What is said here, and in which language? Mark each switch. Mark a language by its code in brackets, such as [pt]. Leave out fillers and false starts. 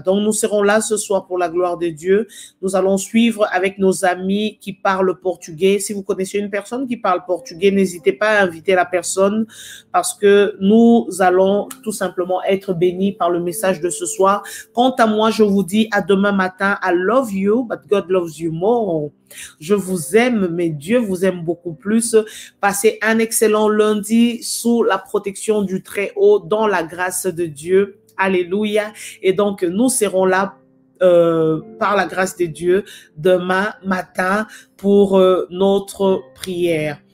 [fr] Donc, nous serons là ce soir pour la gloire de Dieu. Nous allons suivre avec nos amis qui parlent portugais. Si vous connaissez une personne qui parle portugais, n'hésitez pas à inviter la personne parce que nous allons tout simplement être bénis par le message de ce soir. Quant à moi, je vous dis à demain matin. [en] I love you, but God loves you more. [fr] Je vous aime, mais Dieu vous aime beaucoup plus. Passez un excellent lundi sous la protection du Très-Haut, dans la grâce de Dieu. Alléluia. Et donc, nous serons là par la grâce de Dieu demain matin pour notre prière.